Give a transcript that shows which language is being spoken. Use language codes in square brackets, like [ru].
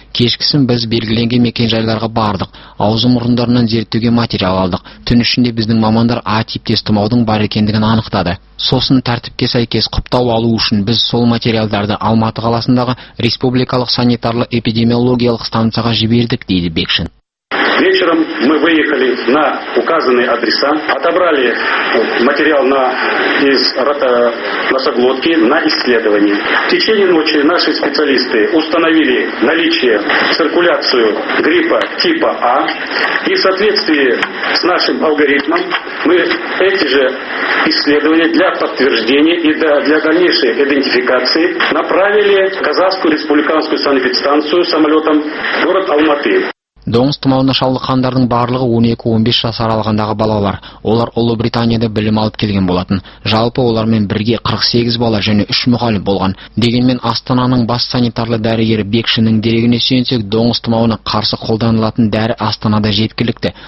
[kk] Кешкісін біз белгіленген мекенжайларға бардық, аузы мұрындарынан зерттеуге материал алдық. Түн ішінде біздің мамандар А-типтес тұмаудың бар екендігін анықтады. Сосын тәртіпке сәйкес құптау алу үшін біз сол материалдарды Алматы қаласындағы республикалық санитарлы-эпидемиологиялық станцияға жібердік, дейді Бекшин. [ru] Вечером мы выехали на указанные адреса, отобрали материал из носоглотки на исследование. В течение ночи наши специалисты установили наличие циркуляцию гриппа типа А, и в соответствии с нашим алгоритмом мы эти же исследования для подтверждения и для дальнейшей идентификации направили в Казахскую республиканскую санэпидстанцию самолетом в город Алматы. [kk] Доңыз тұмауына шалдыққандардың барлығы 12-15 жас аралығындағы балалар. Олар Ұлыбританияда білім алып келген болатын. Жалпы олармен бірге 48 бала және 3 мұғалім болған. Дегенмен Астананың бас санитарлы дәрігері Бекшінің дерегіне сүйенсек, доңыз тұмауына қарсы қолданылатын дәрі Астанада жеткілікті.